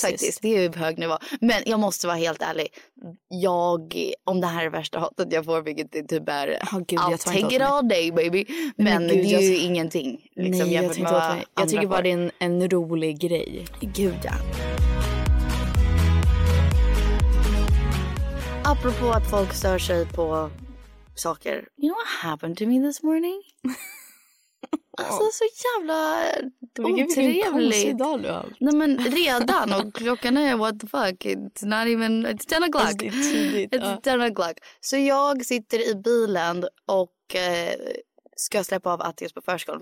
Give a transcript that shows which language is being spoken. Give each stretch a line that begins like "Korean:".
Swedish: Faktiskt, det är ju på hög nivå. Men jag måste vara helt ärlig. Jag, om det här är värsta hatet jag får, vilket det typ är,
English: take it all day, baby.
Swedish: Men gud, det är ju ingenting. Liksom, nej, jag tänkte åt mig. Jag tycker bara det är en rolig grej. Gud, ja. Apropå att folk stör sig på saker.
English: You know what happened to me this morning?
Swedish: Alltså så jävla otrevligt. Nej men redan, och klockan är,
English: what the fuck, it's 10 o'clock. It's 10 o'clock.
Swedish: Så jag sitter i bilen och ska släppa av Attis på förskolan.